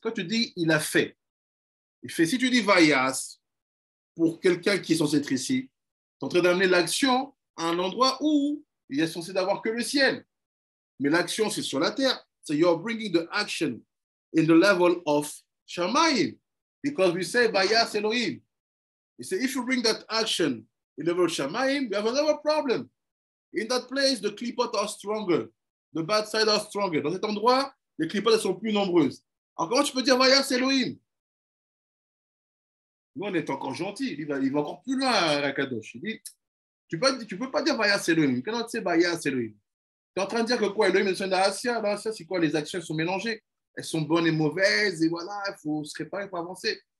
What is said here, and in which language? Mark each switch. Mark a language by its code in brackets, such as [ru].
[fr] Quand tu dis il a fait, il fait. Si tu dis vayas pour quelqu'un qui est censé être ici, t'es en train d'amener l'action à un endroit où il est censé d'avoir que le ciel. Mais l'action, c'est sur la terre. [en] So you're bringing the action in the level of Shamayim. Because we say, Bayas Elohim. You say, if you bring that action in the level of Shamayim, you have another problem. In that place, the clipot are stronger. The bad side are stronger. [fr] Dans cet endroit, les clipot sont plus nombreuses. Alors comment tu peux dire, Bayas Elohim? Nous, on est encore gentil. Il va encore plus loin, Rakadosh. Il dit, tu peux pas dire, Bayas Elohim. [en] You cannot say, Bayas Elohim. [fr] T'es en train de dire que quoi, Elohim est dans Asia, c'est quoi, les actions sont mélangées, elles sont bonnes et mauvaises, et voilà, il faut se réparer pour avancer.